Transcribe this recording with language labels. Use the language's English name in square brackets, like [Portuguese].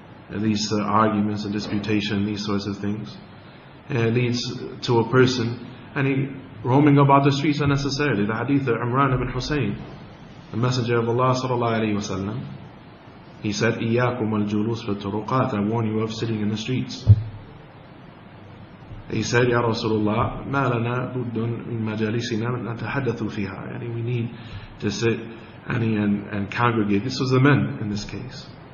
[English] It leads to arguments and disputation and these sorts of things. And it leads to a person and he roaming about the streets unnecessarily. The hadith of Imran ibn Hussein, the Messenger of Allah sallallahu alayhi wa sallam, He said, [Arabic] إِيَّاكُمْ الْجُلُوسِ فَالْتُرُقَاتِ, [English] I warn you of sitting in the streets. He said, [Arabic] يَا رَسُولُ اللَّهِ مَا لَنَا بُدٌ مِنْ مَجَالِسِنَا نَتَحَدَّثُ فِيهَا. [English] And we need to sit and congregate. This was the men in this case.